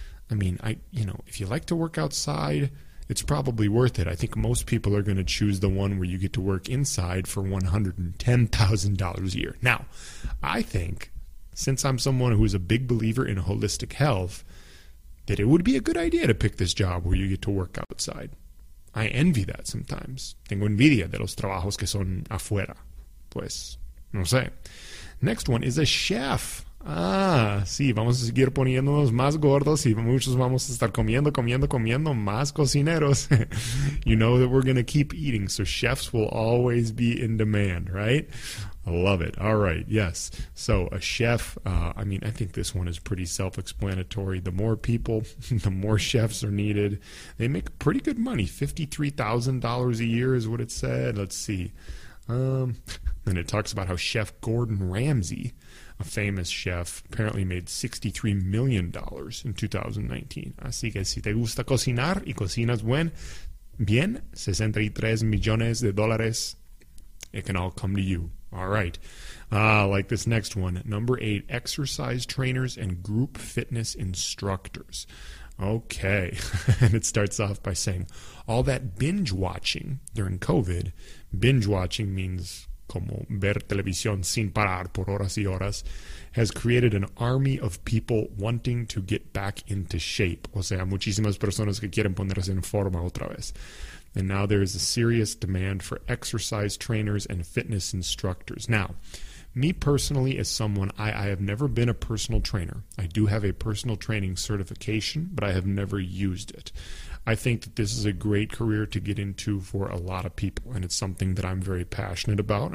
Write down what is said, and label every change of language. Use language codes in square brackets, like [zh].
[en] I mean, if you like to work outside, it's probably worth it. I think most people are going to choose the one where you get to work inside for $110,000 a year. Now, I think, since I'm someone who is a big believer in holistic health, that it would be a good idea to pick this job where you get to work outside. I envy that sometimes. [es] Tengo envidia de los trabajos que son afuera. Pues, no sé. [en] Next one is a chef. [es] Ah, sí, vamos a seguir poniéndonos más gordos y muchos vamos a estar comiendo más cocineros. [en] You know that we're going to keep eating, so chefs will always be in demand, right? I love it. All right, yes. So a chef, I think this one is pretty self-explanatory. The more people, the more chefs are needed. They make pretty good money. $53,000 a year is what it said. Let's see. Then it talks about how Chef Gordon Ramsay, a famous chef, apparently made $63 million in 2019. [es] Así que si te gusta cocinar y cocinas bien, $63 million. [en] It can all come to you. All right. Like this next one. Number eight, exercise trainers and group fitness instructors. Okay. And it starts off by saying, all that binge watching during COVID. Binge watching means [es] como ver televisión sin parar por horas y horas, [en] has created an army of people wanting to get back into shape. [es] O sea, muchísimas personas que quieren ponerse en forma otra vez. [en] And now there is a serious demand for exercise trainers and fitness instructors. Now, me personally, as someone, I have never been a personal trainer. I do have a personal training certification, but I have never used it. I think that this is a great career to get into for a lot of people, and it's something that I'm very passionate about.